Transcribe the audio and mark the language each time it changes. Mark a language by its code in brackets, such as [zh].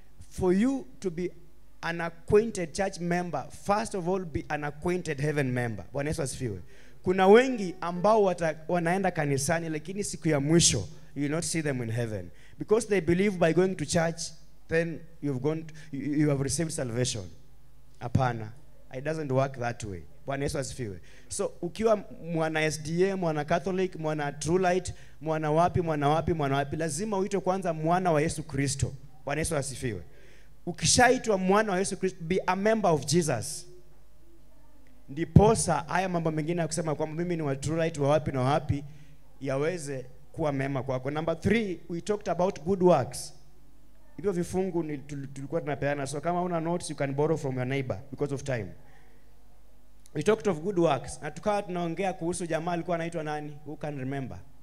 [en] For you to be an acquainted church member, first of all be an acquainted heaven member. [sw] Bwana Yesu asifiwe. Kuna wengi ambao wanaenda kanisani lakini siku ya mwisho [en] you will not see them in heaven because they believe by going to church then you have received salvation. [sw] Apana, [en] it doesn't work that way. [sw] Bwana Yesu asifiwe. So ukiwa mwana SDA, mwana Catholic, mwana True Light, mwana wapi, lazima uitwe kwanza mwana wa Yesu Kristo. Bwana Yesu asifiwe. Ukishaitwa mwana wa Yesu Kristo, [en] be a member of Jesus. [sw] Ndiposa haya mambo mengine ya kusema kwamba mimi ni wa True Light wa wapi yaweze kuwa mema kwako. [en] Number three, we talked about good works. [sw] Hivyo vifungu tulikuwa tunapeana. [en] So [sw] kama una [en] notes, you can borrow from your neighbor because of time. We talked of good works. [sw] Na tukawa tunaongea kuhusu jamaa alikuwa anaitwa nani? [en] Who can remember?